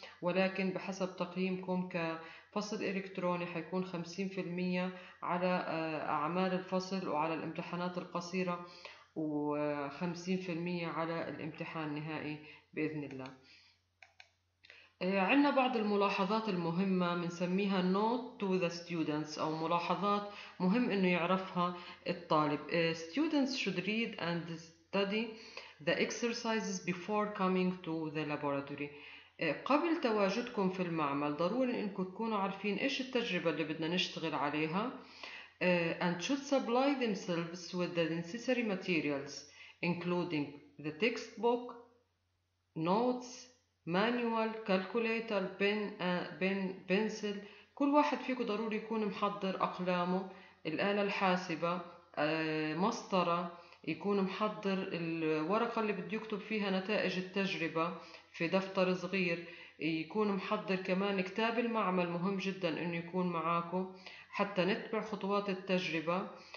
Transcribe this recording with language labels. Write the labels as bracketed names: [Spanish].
[Arabic] ولكن بحسب تقييمكم كفصل الكتروني حيكون 50% على اعمال الفصل وعلى الامتحانات القصيرة، و50% على الامتحان النهائي باذن الله. عندنا بعض الملاحظات المهمة بنسميها [English] note to the students [Arabic] أو ملاحظات مهم إنه يعرفها الطالب. [English] Students should read and study the exercises before coming to the laboratory. [Arabic] قبل تواجدكم في المعمل ضروري إنكم تكونوا عارفين إيش التجربة اللي بدنا نشتغل عليها. [English] And should supply themselves with the necessary materials including the textbook, notes, manual, calculator, pencil. [Arabic] كل واحد فيكم ضروري يكون محضر أقلامه، الآلة الحاسبة، مسطرة، يكون محضر الورقة اللي بده يكتب فيها نتائج التجربة في دفتر صغير، يكون محضر كمان كتاب المعمل، مهم جدا إنه يكون معاكم حتى نتبع خطوات التجربة.